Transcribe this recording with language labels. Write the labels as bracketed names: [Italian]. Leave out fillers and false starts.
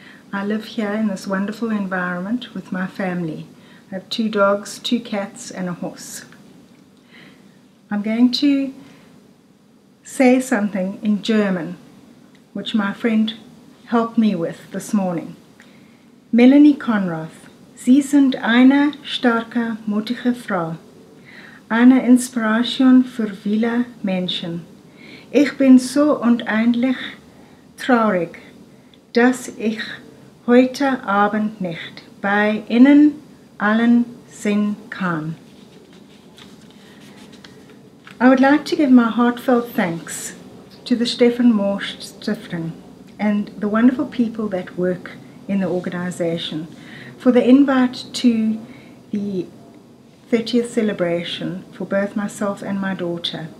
[English] I live here in this wonderful environment with my family. I have two dogs, two cats, and a horse. I'm going to say something in German, which my friend helped me with this morning. [German] Melanie Konrath, Sie sind eine starke, mutige Frau. Eine Inspiration für viele Menschen. Ich bin so unendlich traurig, dass ich heute Abend nicht bei Ihnen allen sein kann. [English] I would like to give my heartfelt thanks to the Stefan-Morsch-Stiftung and the wonderful people that work in the organization for the invite to the 30th celebration for both myself and my daughter.